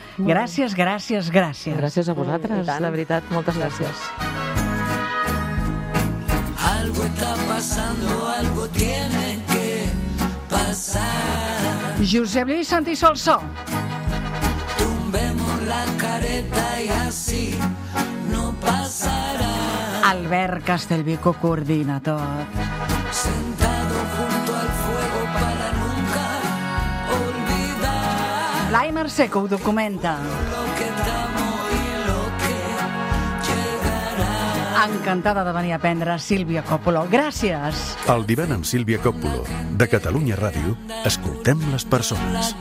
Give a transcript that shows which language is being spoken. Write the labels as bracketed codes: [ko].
[ca] Gràcies, gràcies, gràcies. Gràcies a vosaltres, i tant, de veritat, moltes gràcies. [es] Algo está pasando, algo tiene que pasar. [ca] Josep Lluís Santi Solsó. [es] Careta y así no pasará. [ca] Albert Castelvico coordina tot. [es] Sentado junto al fuego para nunca olvidar. [ca] Blai Mercè que ho documenta. [es] Lo que damo y lo que llegará. [ca] Encantada de venir a prendre, Sílvia Còpolo. Gràcies. El divan amb Sílvia Còpolo, de Catalunya Ràdio, escoltem les persones.